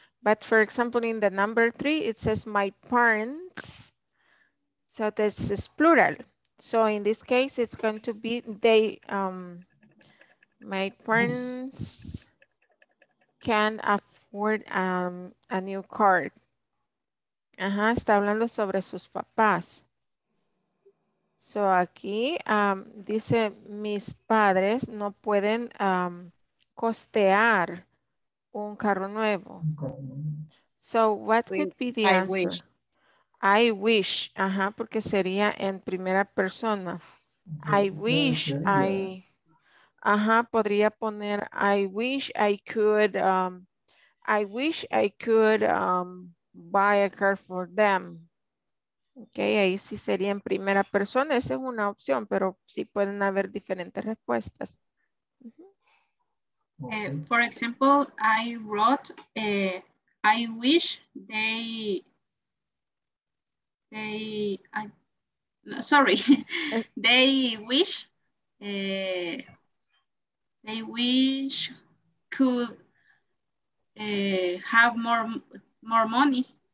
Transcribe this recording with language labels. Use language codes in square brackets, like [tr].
[en] But for example, in the number three, it says my parents. So this is plural. So in this case, it's going to be they, my parents can afford a new car. [es] Ajá, está hablando sobre sus papás. So aquí dice mis padres no pueden costear un carro nuevo. [en] So what could be the answer? I wish, [es] ajá, porque sería en primera persona. [en] I wish, [es] ajá, podría poner [en] I wish I could buy a car for them. [es] Okay, ahí sí sería en primera persona, esa es una opción, pero sí pueden haber diferentes respuestas. [en] For example, I wrote, I wish they wish could have more money.